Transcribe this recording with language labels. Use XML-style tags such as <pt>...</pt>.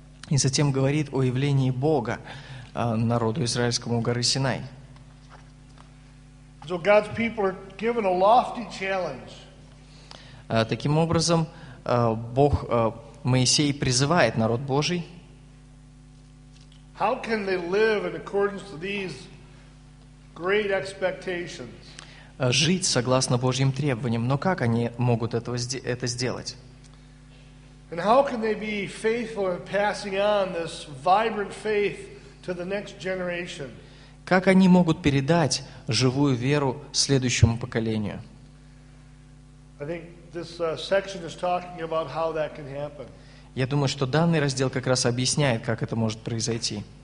<ru>И затем говорит о явлении Бога народу израильскому у горы Синай.</ru> <en>So God's people are given a lofty challenge.</en> <ru>Таким образом, Бог, Моисей призывает народ Божий.</ru> <en>How can they live in accordance to these great expectations?</en> <ru>Жить согласно Божьим требованиям, но как они могут это сделать?</ru> <en>And how can they be faithful in passing on this vibrant faith to the next generation?</en> <ru>Как они могут передать живую веру следующему поколению?</ru> <en>I think this section is talking about how that can happen.</en> <ru>Я думаю, что данный раздел как раз объясняет, как это может произойти.</ru>